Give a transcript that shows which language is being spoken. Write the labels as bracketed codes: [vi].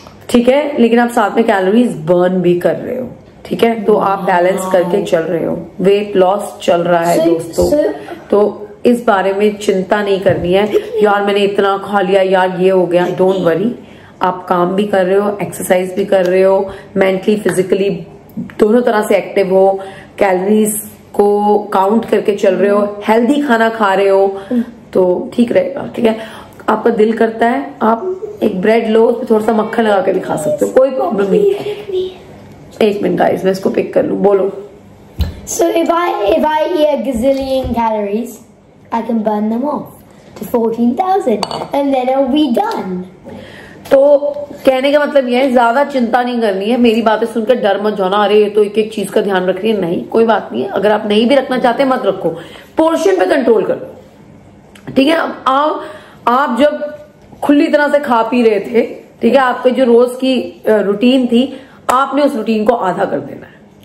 [hi] ठीक है, लेकिन आप साथ में कैलोरीज बर्न भी कर रहे हो, ठीक है, तो आप बैलेंस करके चल रहे हो, वेट लॉस चल रहा है दोस्तों, तो इस बारे में चिंता नहीं करनी है, यार मैंने इतना खा लिया, यार ये हो गया, [en] don't worry, [hi] आप काम भी कर रहे हो, एक्सरसाइज भी कर रहे हो, मेंटली फिजिकली दोनों तरह से एक्टिव हो, कैलोरीज को काउंट करके चल रहे हो, हेल्दी खाना खा रहे हो, तो ठीक रहेगा, ठीक है। आपका दिल करता है आप एक ब्रेड लो, उसमें थोड़ा सा मक्खन लगा के भी खा सकते हो, कोई प्रॉब्लम नहीं। एक मिनट गाइस, मैं इसको पिक कर लूं, बोलो। [en] So if I eat a gazillion calories, I can burn them off to 14,000 and then I'll be done. [hi] तो कहने का मतलब यह है, ज्यादा चिंता नहीं करनी है, मेरी बातें सुनकर डर मत जाना, अरे तो एक एक चीज का ध्यान रख रही है, नहीं कोई बात नहीं है, अगर आप नहीं भी रखना चाहते मत रखो, पोर्शन पे कंट्रोल करो, ठीक है। आप जब खुली तरह से खा पी रहे थे, ठीक है, आपके जो रोज की रूटीन थी, आपने उस रूटीन को आधा कर देना है।